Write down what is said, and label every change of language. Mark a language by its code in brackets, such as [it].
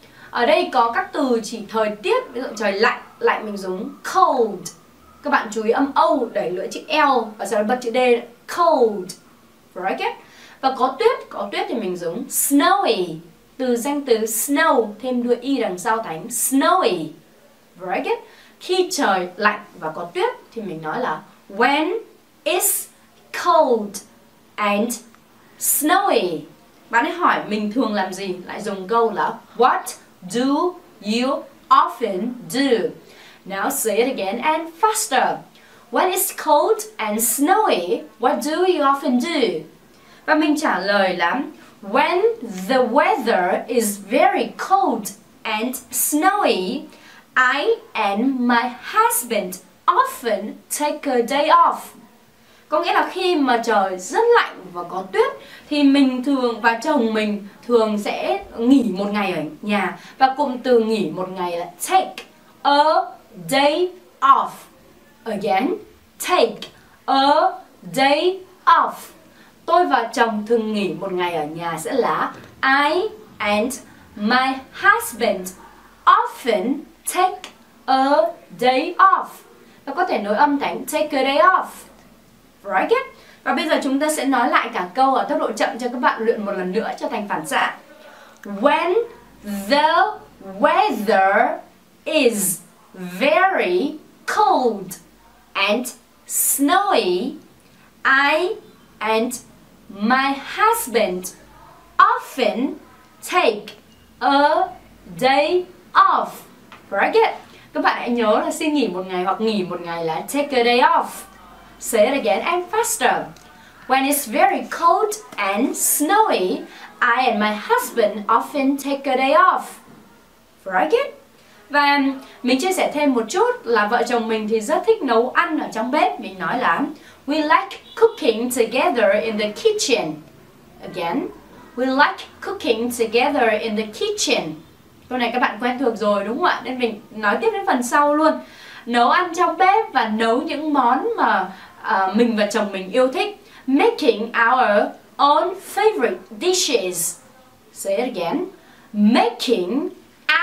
[vi] Ở đây có các từ chỉ thời tiết, ví dụ trời lạnh, lạnh mình dùng cold. Các bạn chú ý âm O, đẩy lưỡi chữ L và sau đó bật chữ D, cold. [en] Right? [vi] Và có tuyết thì mình dùng snowy. Từ danh từ snow, thêm đuôi Y đằng sau thành snowy. [en] Right? [vi] Khi trời lạnh và có tuyết thì mình nói là [en] when it's cold and snowy. [vi] Bạn ấy hỏi mình thường làm gì, lại dùng câu là [en] what do you often do? Now say it again and faster. When it's cold and snowy, what do you often do? [vi] Và mình trả lời là [en] when the weather is very cold and snowy, I and my husband often take a day off. [vi] Có nghĩa là khi mà trời rất lạnh và có tuyết thì mình thường và chồng mình thường sẽ nghỉ một ngày ở nhà. Và cụm từ nghỉ một ngày là [en] take a day off. Again, take a day off. [vi] Tôi và chồng thường nghỉ một ngày ở nhà sẽ là [en] I and my husband often take a day off. [vi] Và có thể nối âm thành [en] take a day off. Right it. [vi] Và bây giờ chúng ta sẽ nói lại cả câu ở tốc độ chậm cho các bạn luyện một lần nữa cho thành phản xạ. [en] When the weather is very cold and snowy, I and my husband often take a day off. Break it. [vi] Các bạn hãy nhớ là xin nghỉ một ngày hoặc nghỉ một ngày là [en] take a day off. Say it again and faster. When it's very cold and snowy, I and my husband often take a day off. Break it. [vi] Và mình chia sẻ thêm một chút là vợ chồng mình thì rất thích nấu ăn ở trong bếp. Mình nói là [en] we like cooking together in the kitchen. Again, we like cooking together in the kitchen. [vi] Câu này các bạn quen thuộc rồi đúng không ạ? Nên mình nói tiếp đến phần sau luôn. Nấu ăn trong bếp và nấu những món mà mình và chồng mình yêu thích. [en] Making our own favorite dishes. Say it again. Making our